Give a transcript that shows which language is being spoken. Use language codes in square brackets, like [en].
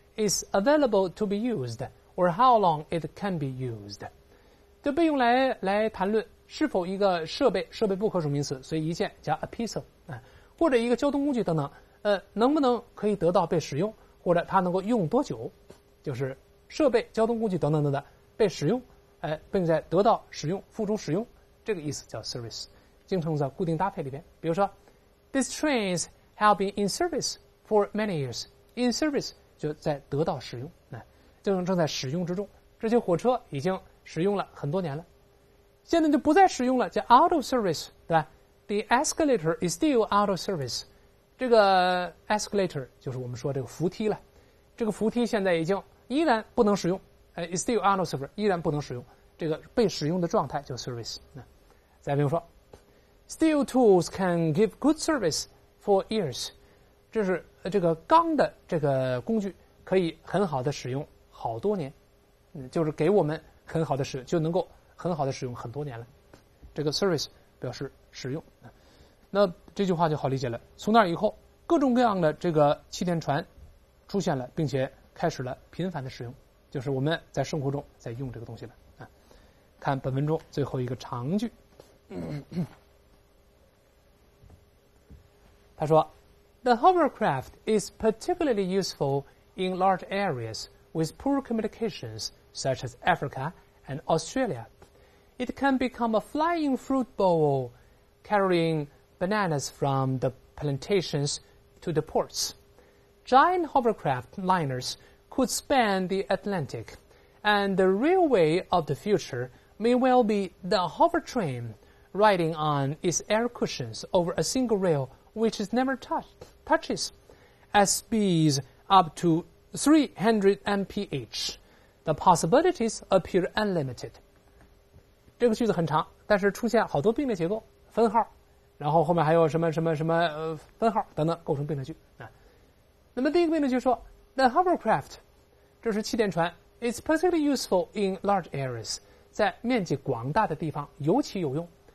[en] is available to be used [zh] or how long it can be used， 就被用来谈论是否一个设备不可数名词，所以一件加 [en] a piece of， [zh] 或者一个交通工具等等。能不能可以得到被使用，或者它能够用多久，就是设备、交通工具等等等等被使用，并在得到使用、付诸使用，这个意思叫 service， 经常在固定搭配里边。比如说 [en] ，these trains have been in service for many years. [zh] In service 就在得到使用，正在使用之中。这些火车已经使用了很多年了，现在就不再使用了，叫 [en] out of service， [zh] 对吧 ？ [en] The escalator is still out of service. [zh] 这个 escalator 就是我们说这个扶梯了，这个扶梯现在已经依然不能使用， [en] is still out of service， [zh] 依然不能使用，这个被使用的状态叫 service。再比如说 [en] steel tools can give good service for years， [zh] 这是这个钢的这个工具可以很好的使用好多年，就是给我们很好的使用，就能够很好的使用很多年了，这个 service 表示使用。那这句话就好理解了，从那以后各种各样的这个气垫船出现了，并且开始了频繁的使用，就是我们在生活中在用这个东西了啊。看本文中最后一个长句，他说 [en] The hovercraft is particularly useful in large areas with poor communications such as Africa and Australia. It can become a flying fruit bowl carryingbananas from the plantations to the ports. Giant hovercraft liners could span the Atlantic, and the railway of the future may well be the hover train riding on its air cushions over a single rail which is never touches at speeds up to 300 mph. The possibilities appear unlimited. [zh] 这个句子很长，但是出现好多并列结构，分号然后后面还有什么什么什么分号等等构成病例句啊。那么第一个病例句说 ， [en] The hovercraft， [zh] 这是气垫船 ， [en] is particularly useful in large areas， [zh] 在面积广大的地方尤其有用。